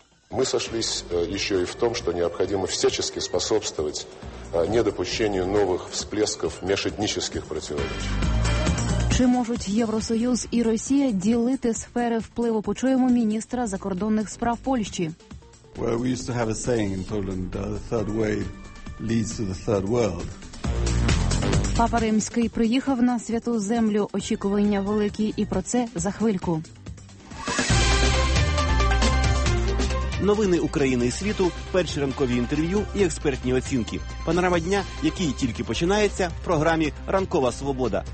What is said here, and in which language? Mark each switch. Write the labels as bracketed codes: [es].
[uk] Ми сошлись ще й в тому, що необхідно всячески способствувати недопущенню нових всплесків міжетнічних противоречий. Чи можуть Євросоюз і Росія ділити сфери впливу? Почуємо міністра закордонних справ Польщі. [en] Well, we used to have a saying in Poland, the third way leads to the third world. [uk] Папа Римський приїхав на святу землю. Очікування великі, і про це за хвильку. Новини України і світу, перші ранкові інтерв'ю і експертні оцінки. Панорама дня, який тільки починається, в програмі «Ранкова свобода».